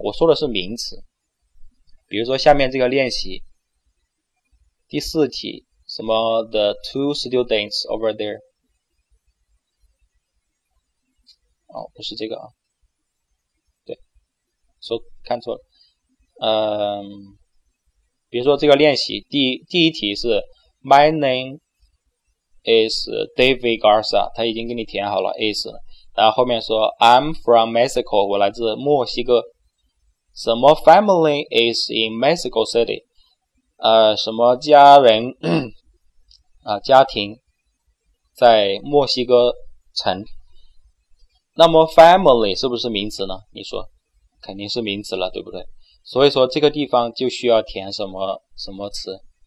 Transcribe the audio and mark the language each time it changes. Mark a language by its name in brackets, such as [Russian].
[Chinese] 我说的是名词。比如说下面这个练习第四题，什么 [English] the two students over there， [Chinese] 哦，不是这个啊，对，说看错了。比如说这个练习第一题是 [English] my name is David Garza， [Chinese] 他已经给你填好了 is， 然后后面说 [English] I'm from Mexico， [Chinese] 我来自墨西哥。什么 [English] family is in Mexico City？ [Chinese] 什么家人啊家庭在墨西哥城？那么 family 是不是名词呢？你说，肯定是名词了，对不对？所以说这个地方就需要填什么词？